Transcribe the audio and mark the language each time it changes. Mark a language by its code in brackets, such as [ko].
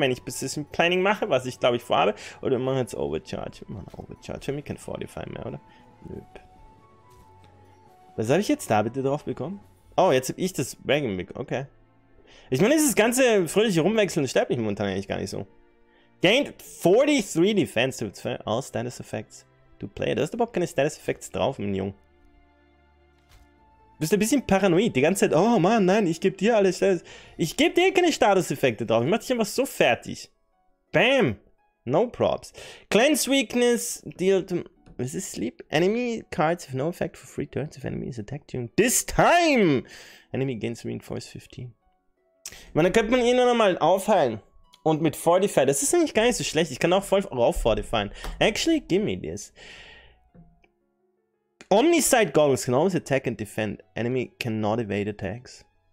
[de] Wenn ich Position Planning mache, was ich glaube ich vorhabe. Oder wir machen jetzt Overcharge. Wir machen Overcharge. Wir haben kein Fortify mehr, oder? Nope. Was habe ich jetzt da bitte drauf bekommen? Oh, jetzt habe ich das Wagon Mick. Okay. Ich meine, dieses ganze fröhliche Rumwechseln stört mich momentan eigentlich gar nicht so. [en] Gained 43 Defense to all Status Effects to play. [de] Da hast du überhaupt keine Status Effects drauf, mein Junge. Du bist ein bisschen paranoid. Die ganze Zeit, oh Mann, nein, ich gebe dir alle Status. Ich gebe dir keine Status Effekte drauf. Ich mache dich einfach so fertig. [en] Bam. No Props. Cleanse Weakness deal to... [de] Was ist [en] Sleep? Enemy cards have no effect for 3 turns if enemy is attacked during this time! Enemy gains reinforce 15. [de] Ich meine, da könnte man ihn nur nochmal aufheilen. Und mit Fortify. Das ist eigentlich gar nicht so schlecht. Ich kann auch voll rauf fortifyen. [en] Actually, give me this. Omnisight Goggles can always attack and defend. Enemy cannot evade attacks.